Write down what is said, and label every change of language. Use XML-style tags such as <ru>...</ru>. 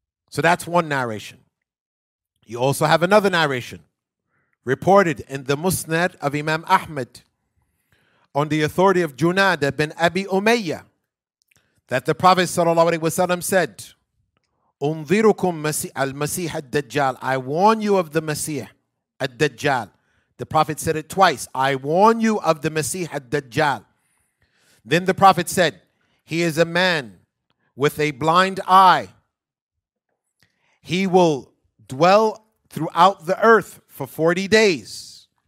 <en>So that's one narration. You also have another narration reported in the Musnad of Imam Ahmad on the authority of Junada bin Abi Umayyah, that the Prophet ﷺ said,</en> <ar>أنذركم مسيح المسيح الدجال.</ar> <en>I warn you of the Messiah, الدجال. The Prophet said it twice. I warn you of the Messiah الدجال. Then the Prophet said, he is a man with a blind eye. He will dwell throughout the earth for 40 days.</en>